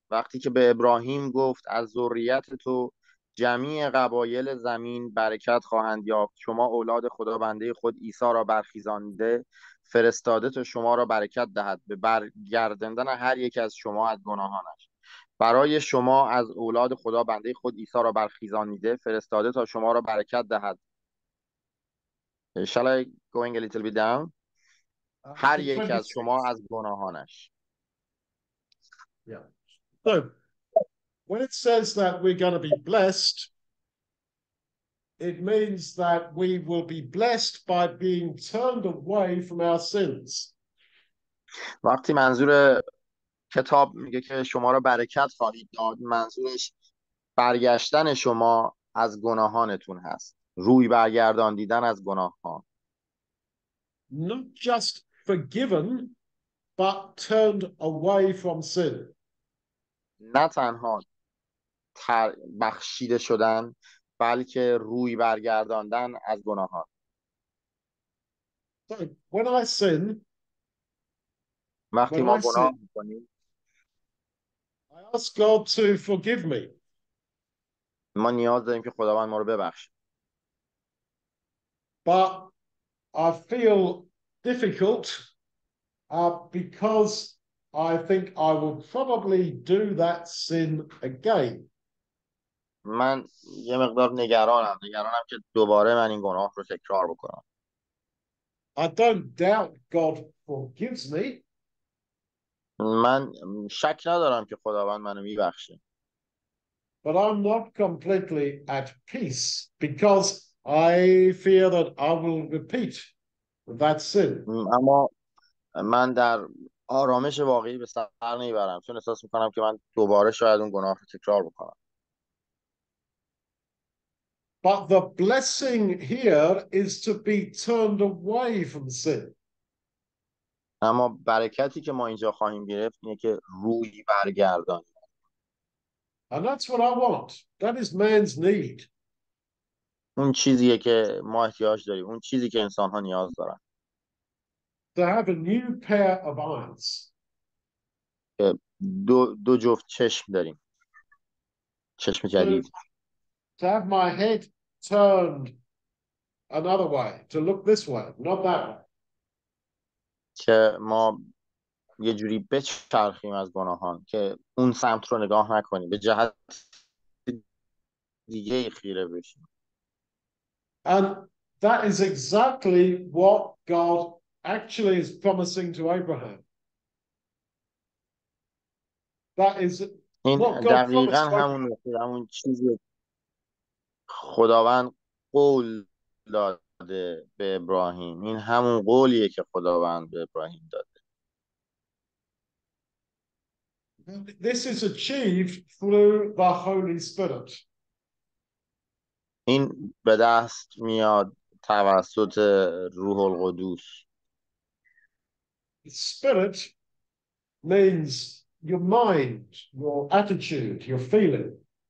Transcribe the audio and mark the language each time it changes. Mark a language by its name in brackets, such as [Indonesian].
[Persian] وقتی که به ابراهیم گفت از ذریت تو جمیع قبایل زمین برکت خواهند یافت، شما اولاد خدا بنده خود عیسی را برخیزانده فرستاده تا شما را برکت دهد به برگرداندن هر یک از شما از گناهانش. برای شما از اولاد خدا بنده خود عیسی را برخیزانده فرستاده تا شما را برکت دهد. [English] Shall I going a little bit down? [Persian] هر یک از شما از گناهانش. [English] Yeah. When it says that we're going to be blessed, it means that we will be blessed by being turned away from our sins. [Persian] وقتی منظور کتاب میگه که شما را برکت خواهید داد، منظورش برگشتن شما از گناهانتون هست. روی برگرداندن از گناهان. [English] Not just forgiven, but turned away from sin. [Persian] نه تنها بخشیده شدن، بلکه روی برگرداندن از گناهان. [English] So, when I sin, [Persian] وقتی ما گناه میکنیم، [English] I ask God to forgive me. [Persian] ما نیاز داریم که خداوند ما رو ببخشه. [English] But I feel difficult because I think I will probably do that sin again. [Persian] من یه مقدار نگرانم که دوباره من این گناه رو تکرار بکنم. [English] I don't doubt God forgives me. [Persian] من شک ندارم که خداوند منو میبخشه. [English] But I'm not completely at peace because I fear that I will repeat that sin. [Persian] اما من در آرامش واقعی به سر نمیبرم، چون احساس میکنم که من دوباره شاید اون گناه رو تکرار بکنم. [English] But the blessing here is to be turned away from sin. [Persian] اما برکتی که ما اینجا خواهیم گرفت اینه که روی برگردانیم. [English] And that's what I want. That is man's need. [Persian] اون چیزیه که ما احتیاج داریم. اون چیزی که انسان‌ها نیاز دارن. [English] to have a new pair of eyes. [Persian] دو جفت چشم داریم. چشم جدید. [English] To have my head turned another way, to look this way, not that way. [Persian] که ما یه جوری بچرخیم از گناهان که اون سمت رو نگاه نکنیم، به جهت دیگه خیره بشیم. [English] And that is exactly what God actually is promising to Abraham. That is [Persian] این [English] what God [Persian] دقیقا [English] promised [Persian] همون [English] Abraham. [Persian] نقطه، همون چیزی خداوند قول داد به ابراهیم، این همون قولیه که خداوند به ابراهیم داده. [English] This is achieved through the Holy Spirit. [Persian] این به دست میاد توسط روح القدس. [English] Spirit means your mind, your attitude, your feeling.